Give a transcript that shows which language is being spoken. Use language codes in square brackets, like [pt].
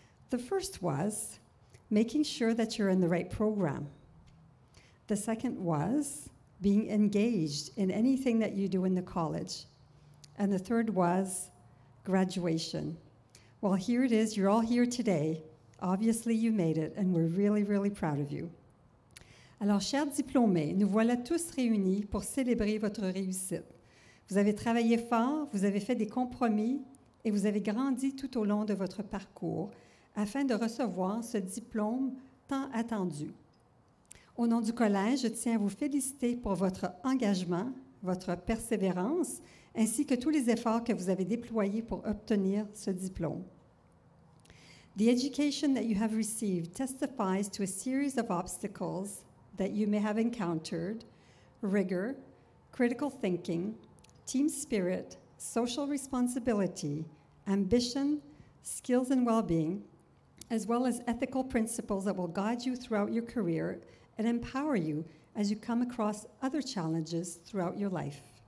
[en] The first was making sure that you're in the right program. The second was being engaged in anything that you do in the college. And the third was graduation. Well, here it is. You're all here today. Obviously, you made it, and we're really, really proud of you. [fr] Alors, chers diplômés, nous voilà tous réunis pour célébrer votre réussite. Vous avez travaillé fort, vous avez fait des compromis, et vous avez grandi tout au long de votre parcours afin de recevoir ce diplôme tant attendu. Au nom du collège, je tiens à vous féliciter pour votre engagement, votre persévérance, ainsi que tous les efforts que vous avez déployés pour obtenir ce diplôme. [en] The education that you have received testifies to a series of obstacles that you may have encountered: rigor, critical thinking, team spirit, social responsibility, ambition, skills and well-being, as well as ethical principles that will guide you throughout your career and empower you as you come across other challenges throughout your life.